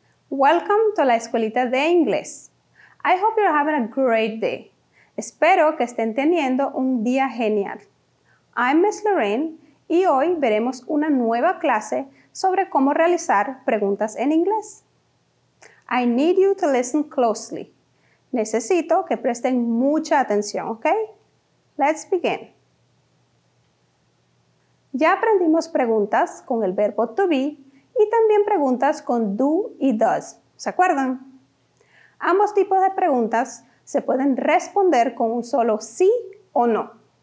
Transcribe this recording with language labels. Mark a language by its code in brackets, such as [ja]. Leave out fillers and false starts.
[en] Welcome to La Escuelita de Inglés. I hope you're having a great day. [es] Espero que estén teniendo un día genial. [en] I'm Miss Lorraine [es] y hoy veremos una nueva clase sobre cómo realizar preguntas en inglés. [en] I need you to listen closely. [es] Necesito que presten mucha atención, ¿ok? [en] Let's begin. [es] Ya aprendimos preguntas con el verbo to be y también preguntas con do y does. ¿Se acuerdan? Ambos tipos de preguntas se pueden responder con un solo sí o no.